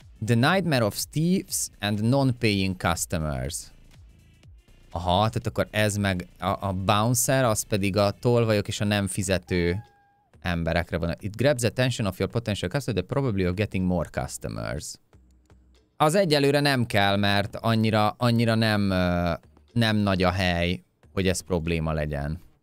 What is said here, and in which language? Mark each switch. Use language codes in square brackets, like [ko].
[en] The nightmare of thieves and non-paying customers. [hu] Aha, tehát akkor ez meg a bouncer, az pedig a tolvajok és a nem fizető emberekre van. [en] It grabs the attention of your potential customers, but probably of getting more customers. [hu] Az egyelőre nem kell, mert annyira nem nagy a hely, hogy ez probléma legyen.